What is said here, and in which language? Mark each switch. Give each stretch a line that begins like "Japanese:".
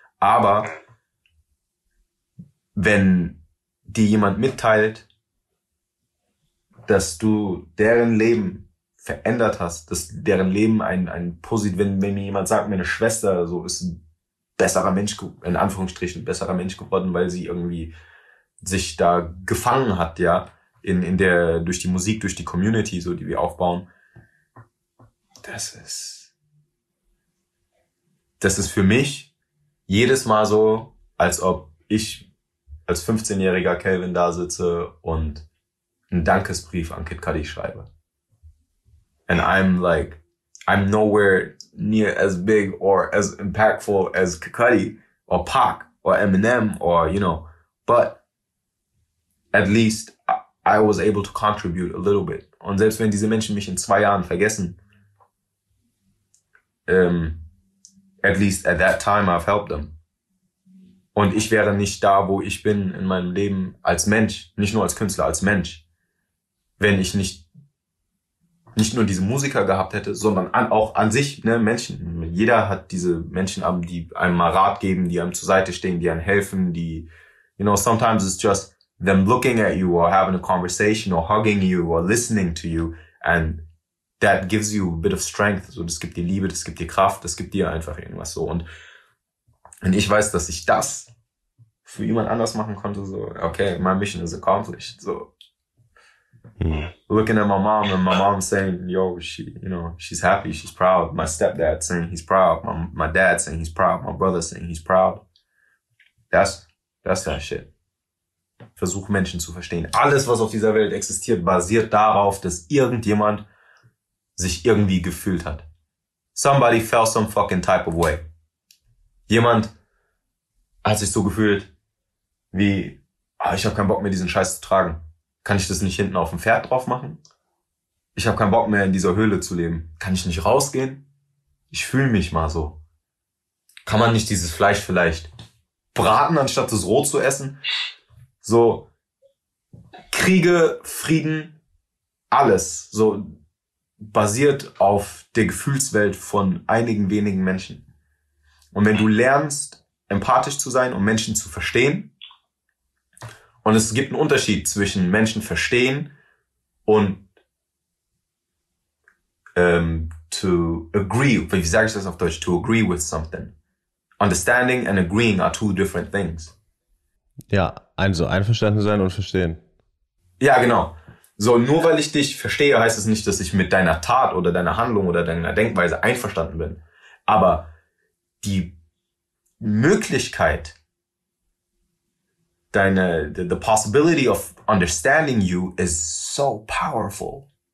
German: Aber wenn dir jemand mitteilt, dass du deren Leben verändert hast, dass deren Leben ein positiv, wenn mir jemand sagt, meine Schwester so ist ein besserer Mensch, in Anführungsstrichen, ein besserer Mensch geworden, weil sie irgendwie sich da gefangen hat, ja, in der, durch die Musik, durch die Community, so, die wir aufbauen. Das ist für mich jedes Mal so, als ob ich als 15-jähriger Calvin da sitze und einen Dankesbrief an Kid Cudi schreibe.
English: And I'm like, I'm nowhere near as big or as impactful as Kid Cudi or Pac or Eminem or, you know, but at least I was able to contribute a little bit.
German: Und selbst wenn diese Menschen mich in 2 Jahren vergessen,
English: at least at that time I've helped them.
German: Und ich wäre nicht da, wo ich bin in meinem Leben als Mensch, nicht nur als Künstler, als Mensch, wenn ich nicht nur diese Musiker gehabt hätte, sondern auch an sich, ne, Menschen. Jeder hat diese Menschen, die einem mal Rat geben, die einem zur Seite stehen, die einem helfen, die,
English: you know, sometimes it's just them looking at you or having a conversation or hugging you or listening to you and that gives you a bit of strength.
German: So, das gibt dir Liebe, das gibt dir Kraft, das gibt dir einfach irgendwas so. Und wenn ich weiß, dass ich das für jemand anders machen konnte, so, okay,
English: my mission is accomplished. So, looking at my mom and my mom saying, yo, she, you know, she's happy, she's proud. My stepdad saying he's proud. My dad saying he's proud. My brother saying he's proud. That's that shit.
German: Versuch Menschen zu verstehen. Alles, was auf dieser Welt existiert, basiert darauf, dass irgendjemand sich irgendwie gefühlt hat.
English: Somebody felt some fucking type of way.
German: Jemand hat sich so gefühlt wie, oh, ich habe keinen Bock mehr, diesen Scheiß zu tragen. Kann ich das nicht hinten auf dem Pferd drauf machen? Ich habe keinen Bock mehr, in dieser Höhle zu leben. Kann ich nicht rausgehen? Ich fühle mich mal so. Kann man nicht dieses Fleisch vielleicht braten, anstatt das roh zu essen? So, Kriege, Frieden, alles so basiert auf der Gefühlswelt von einigen wenigen Menschen. Und wenn du lernst, empathisch zu sein und Menschen zu verstehen, und es gibt einen Unterschied zwischen Menschen verstehen und
English: to agree,
German: wie sage ich das auf Deutsch,
English: to agree with something. Understanding and agreeing are two different things.
German: Ja, also einverstanden sein und verstehen. Ja, genau. So, nur weil ich dich verstehe, heißt es nicht, dass ich mit deiner Tat oder deiner Handlung oder deiner Denkweise einverstanden bin. Aber die Möglichkeit,
English: the possibility of understanding you is so powerful.